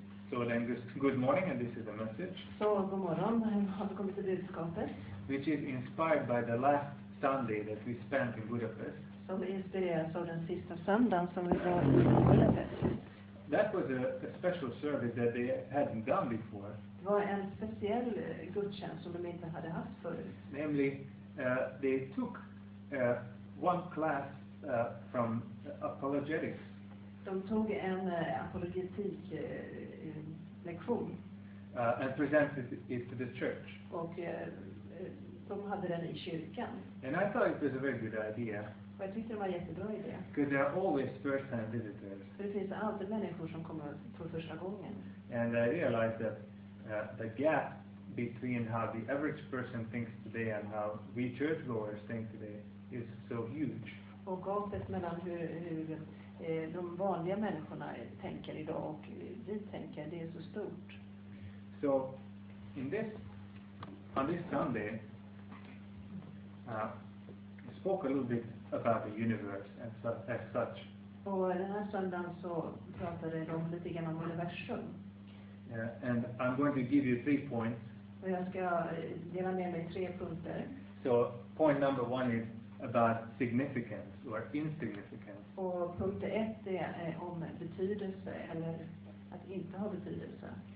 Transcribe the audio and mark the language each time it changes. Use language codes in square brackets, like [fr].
[en] So then this good morning, and this is a message. [sv] Så god morgon, välkommen till budskapet. [en] Which is inspired by the last Sunday that we spent in Budapest. [sv] Som inspireras av den sista söndagen som vi var i Budapest. [en] That was a special service that they hadn't done before. [sv] Det var en speciell gudstjänst som de inte hade haft förut. [en] Namely, they took one class from apologetics. [sv] De tog en apologetik lektion. [en] And presented it to the church. [sv] Och de hade den i kyrkan. [en] And I thought it was a very good idea. [sv] Och jag tyckte det var en jättebra idé. [en] Because there are always first-time visitors. [sv] För det finns alltid människor som kommer för första gången. [en] And I realized that the gap between how the average person thinks today and how we churchgoers think today is so huge. [sv] Och gapet mellan hur de vanliga människorna tänker idag och vi tänker, det är så stort. [en] So, in this, on this Sunday, I spoke a little bit about the universe as such. [sv] Och den här söndagen så pratade de lite grann om universum. [en] Yeah, and I'm going to give you three points. [sv] Och jag ska dela med mig tre punkter. [en] So, point number one is about significance or insignificance. [sv] Och punkt ett är om betydelse eller att inte ha betydelse.